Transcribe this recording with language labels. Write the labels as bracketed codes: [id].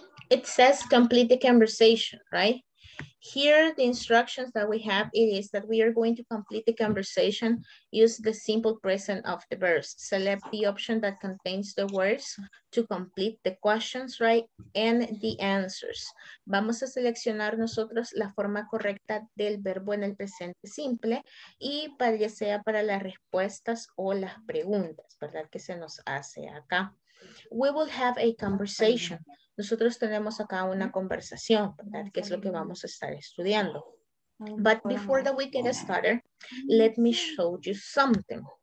[en] It says complete the conversation, right? Here, the instructions that we have, it is that we are going to complete the conversation, use the simple present of the verbs. Select the option that contains the words to complete the questions, right? And the answers. [es] Vamos a seleccionar nosotros la forma correcta del verbo en el presente simple y para ya sea para las respuestas o las preguntas, ¿verdad? Que se nos hace acá. [en] We will have a conversation. [es] Nosotros tenemos acá una conversación, ¿verdad? Que es lo que vamos a estar estudiando. [en] But before that we get started, let me show you something.